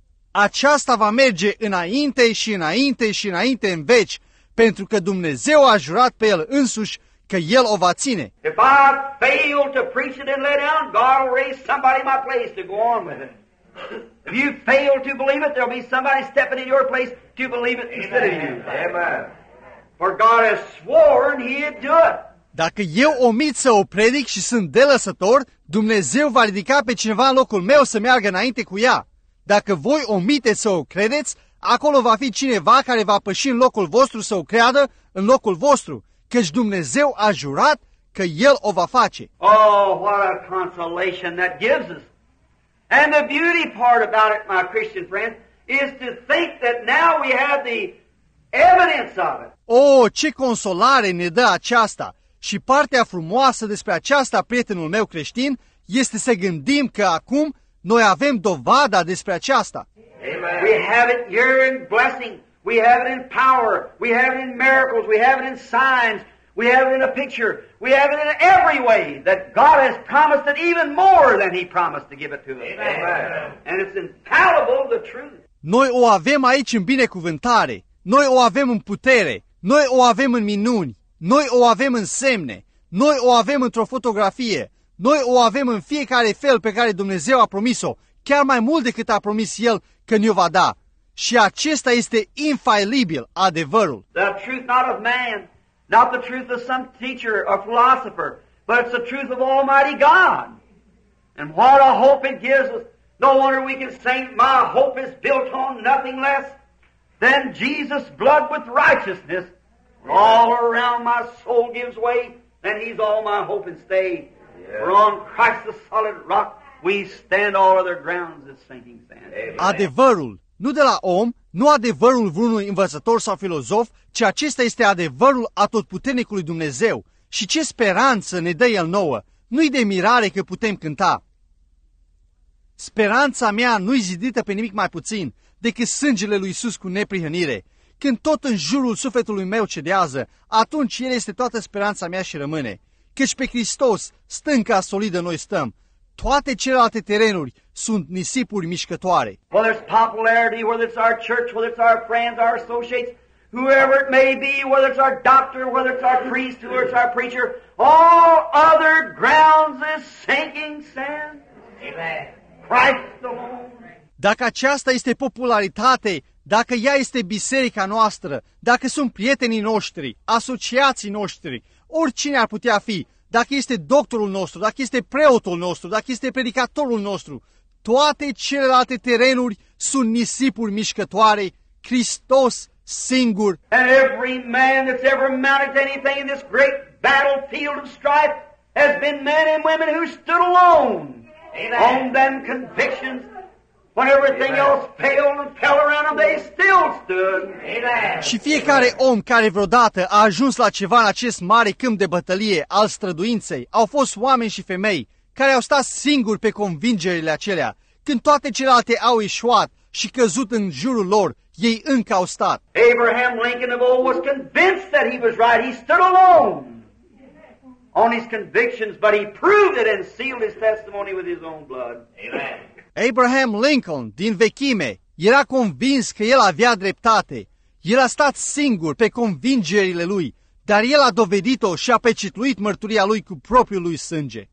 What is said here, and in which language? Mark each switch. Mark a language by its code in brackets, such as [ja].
[ro] Aceasta va merge înainte și înainte și înainte în veci, pentru că Dumnezeu a jurat pe El însuși că El o va ține. [en] If I fail to preach it and lay down, God will raise somebody in my place to go on with it. If you fail to believe it, there'll be somebody stepping in your place to believe it instead of you. Amen. For God has sworn He'd do it. [ro] Dacă eu omit să o predic și sunt delăsător, Dumnezeu va ridica pe cineva în locul meu să meargă înainte cu ea. Dacă voi omite să o credeți, acolo va fi cineva care va păși în locul vostru să o creadă în locul vostru, căci Dumnezeu a jurat că El o va face. [en] Oh, what a consolation that gives us. And the beauty part about it, my Christian friend, is to think that now we have the evidence of it. [ro] Oh, ce consolare ne dă aceasta! Și partea frumoasă despre aceasta, prietenul meu creștin, este să gândim că acum noi avem dovada despre aceasta. [en] Amen. We have it here in blessing. We have it in power. We have it in miracles. We have it in signs. We have it in a picture. We have it in every way that God has promised it even more than He promised to give it to us. Amen. And it's infallible, the truth. [ro] Noi o avem aici în binecuvântare. Noi o avem în putere. Noi o avem în minuni. Noi o avem în semne, noi o avem într-o fotografie, noi o avem în fiecare fel pe care Dumnezeu a promis-o, chiar mai mult decât a promis El că ne-o va da. Și acesta este infailibil, adevărul. [en] The truth not of man, not the truth of some teacher or philosopher, but it's the truth of Almighty God. And what a hope it gives us. No wonder we can say, my hope is built on nothing less than Jesus' blood with righteousness. All around my soul gives way, and He's all my hope and stay. Yes. For on Christ the solid rock we stand, all other grounds is sinking sand. Amen. [ro] Adevărul, nu de la om, nu adevărul vreunui învățător sau filozof, ci acesta este adevărul atotputernicului Dumnezeu. Și ce speranță ne dă El nouă! Nu-i de mirare că putem cânta. Speranța mea nu-i zidită pe nimic mai puțin decât sângele lui Iisus cu neprihănire. Când tot în jurul sufletului meu cedează, atunci El este toată speranța mea și rămâne. Căci pe Hristos, stânca solidă noi stăm. Toate celelalte terenuri sunt nisipuri mișcătoare. [en] Whether it's popularity, whether it's our church, whether it's our friends, our associates, whoever it may be, whether it's our doctor, whether it's our priest, whether it's our preacher, all other grounds is sinking sand. Amen. Christ alone. [ro] Dacă aceasta este popularitate, dacă ea este biserica noastră, dacă sunt prietenii noștri, asociații noștri, oricine ar putea fi, dacă este doctorul nostru, dacă este preotul nostru, dacă este predicatorul nostru, toate celelalte terenuri sunt nisipuri mișcătoare, Hristos singur. [en] And every man that's ever mounted anything in this great battlefield of strife has been men and women who stood alone. Amen. On them convictions. When everything else failed and fell around them, they still stood. Amen. [ro] Și fiecare om care vreodată a ajuns la ceva în acest mare câmp de bătălie al străduinței, au fost oameni și femei care au stat singuri pe convingerile acelea. Când toate celelalte au eșuat și căzut în jurul lor, ei încă au stat. [en] Abraham Lincoln of old was convinced that he was right. He stood alone on his convictions, but he proved it and sealed his testimony with his own blood. Amen. [ro] Abraham Lincoln, din vechime, era convins că el avea dreptate. El a stat singur pe convingerile lui, dar el a dovedit-o și a pecetluit mărturia lui cu propriul lui sânge.